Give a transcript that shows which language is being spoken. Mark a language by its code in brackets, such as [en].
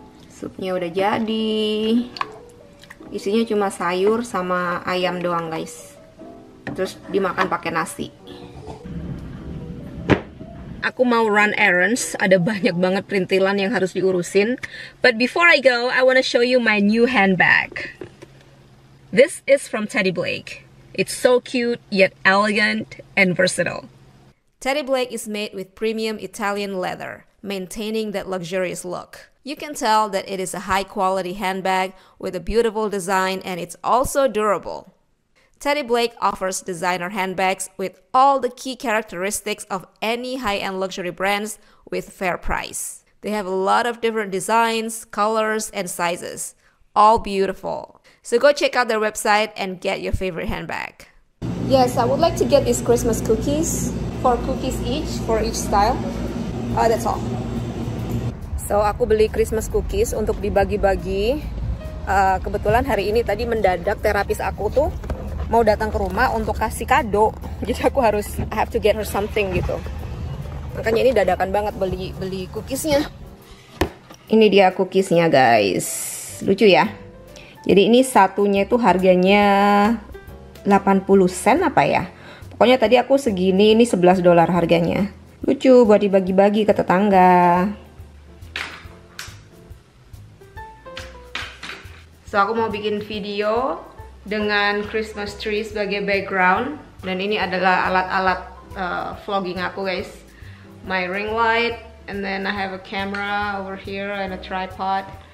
[id] Supnya udah jadi. Isinya cuma sayur sama ayam doang, guys. Terus dimakan pakai nasi. Aku mau run errands, ada banyak banget perintilan yang harus diurusin. [en] But before I go, I wanna show you my new handbag. This is from Teddy Blake. It's so cute, yet elegant and versatile. Teddy Blake is made with premium Italian leather, maintaining that luxurious look. You can tell that it is a high quality handbag with a beautiful design, and it's also durable. Teddy Blake offers designer handbags with all the key characteristics of any high-end luxury brands with fair price. They have a lot of different designs, colors, and sizes. All beautiful. So go check out their website and get your favorite handbag. Yes, I would like to get these Christmas cookies. 4 cookies each, for each style. That's all. [id] So aku beli Christmas cookies untuk dibagi-bagi. Kebetulan hari ini tadi mendadak terapis aku tuh mau datang ke rumah untuk kasih kado. Jadi aku harus, I have to get her something gitu. Makanya ini dadakan banget beli cookiesnya. Ini dia cookiesnya guys. Lucu ya. Jadi ini satunya itu harganya 80 sen apa ya. Pokoknya tadi aku segini, ini 11 dolar harganya. Lucu buat dibagi-bagi ke tetangga. So aku mau bikin video dengan Christmas tree sebagai background. Dan ini adalah alat-alat vlogging aku guys. [en] My ring light, and then I have a camera over here and a tripod.